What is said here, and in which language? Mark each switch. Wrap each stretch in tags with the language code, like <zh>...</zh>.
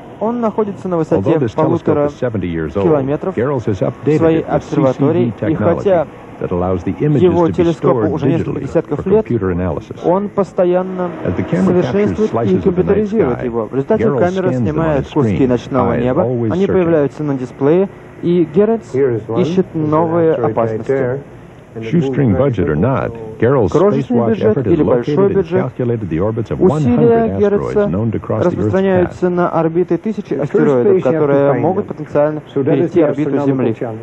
<ru>Он находится на высоте 1,5 километров своей обсерватории, и хотя его телескопу уже несколько десятков лет, он постоянно совершенствует и компьютеризирует его. В результате камера снимает куски ночного неба, они появляются на дисплее, и Геральдс ищет новые опасности.</ru> <en>Shoestring budget or not, Geralt's spacewatch effort has located and calculated the orbits of 100 asteroids known to cross the Earth's path.</en> <ru>Распространяются на орбиты тысячи астероидов, которые могут потенциально перейти орбиту Земли.</ru>